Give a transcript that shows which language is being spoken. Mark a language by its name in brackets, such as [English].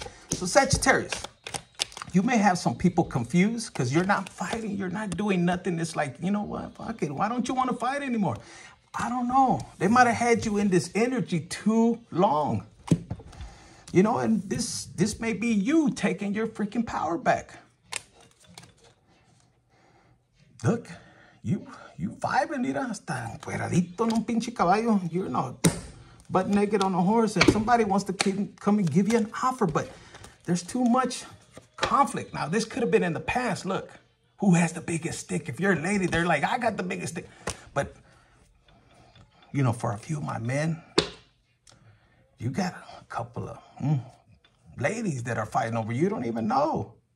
[English] So Sagittarius, you may have some people confused because you're not fighting. You're not doing nothing. It's like, you know what? Fuck it. Why don't you want to fight anymore? I don't know. They might have had you in this energy too long. You know, and this may be you taking your freaking power back. Look, you vibing, [Spanish] mira, hasta encueradito en un pinche caballo. [English] You're not butt naked on a horse, and somebody wants to come and give you an offer, but there's too much conflict. Now, this could have been in the past. Look, who has the biggest stick? If you're a lady, they're like, I got the biggest stick. But you know, for a few of my men, you got a couple of ladies that are fighting over you. You don't even know.